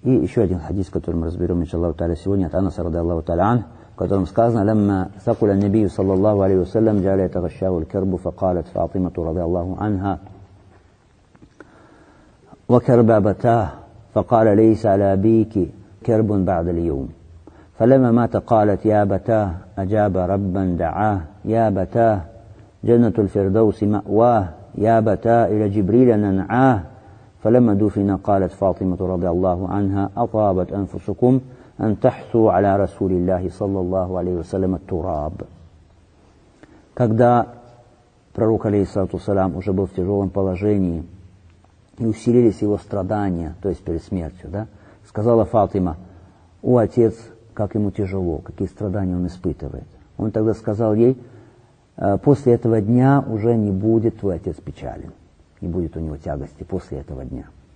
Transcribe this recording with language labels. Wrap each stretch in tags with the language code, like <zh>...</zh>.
<ru>И еще один хадис, который мы разберем, иншаллаху тааля, сегодня от Анаса радиаллаху тааля ан, в котором сказано:</ru> <ar>«Лямма сакуля набию саллаллаху алейхи вассалям джаля тагащаву лькербу факалят фаатимату радиаллаху анха вакерба бата факаля лейса аля бики кербун бааду льюм». فلما مات قالت يا بتاه أجاب ربا دعاه يا بتاه جنة الفردوس مأواه يا بتاه إلى جبريل ننعاه فلما دفن قالت فاطمة رضي الله عنها أطابت أنفسكم أن تحثوا على رسول الله صلى الله عليه وسلم التراب.</ar> <ru>Когда пророк алейхиссалату вассалям уже был в тяжелом положении и усилились его страдания, то есть перед смертью, да, сказала Фатима: «О отец, как ему тяжело, какие страдания он испытывает». Он тогда сказал ей: «После этого дня уже не будет твой отец печален, не будет у него тягости после этого дня».</ru>